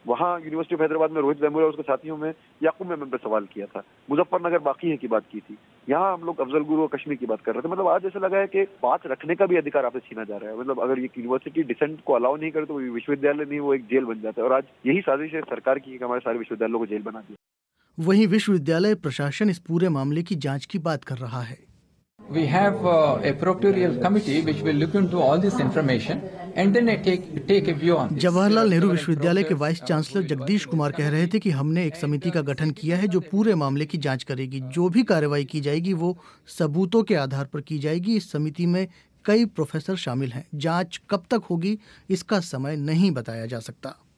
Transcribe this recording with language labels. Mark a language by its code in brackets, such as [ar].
[hi] वहां university of Hyderabad में रोहित वेमुला और उसके साथियों में याकूब मेमन पर सवाल किया था, मुजफ्फरनगर बाकी है की बात की थी, यहाँ हम लोग अफजल गुरु और कश्मीर की बात कर रहे थे। मतलब आज ऐसा लगा है कि बात रखने का भी अधिकार आपसे छीना जा रहा है। मतलब अगर ये यूनिवर्सिटी डिसेंट को अलाउ नहीं करे तो विश्वविद्यालय नहीं वो एक जेल बन जाता है, और आज यही साजिश है सरकार की कि हमारे सारे विश्वविद्यालयों को जेल बना दिया। वहीं विश्वविद्यालय प्रशासन इस पूरे मामले की जाँच की बात कर रहा है। [en] We have a proctorial committee which will look into all this information and then take a view on this. [hi] Jawaharlal Nehru विश्वविद्यालय के वाइस चांसलर जगदीश कुमार कह रहे थे कि हमने एक समिति का गठन किया है जो पूरे मामले की जांच करेगी। जो भी कार्रवाई की जाएगी वो सबूतों के आधार पर की जाएगी। इस समिति में कई प्रोफेसर शामिल हैं। जांच कब तक होगी इसका समय नहीं बताया जा सकता।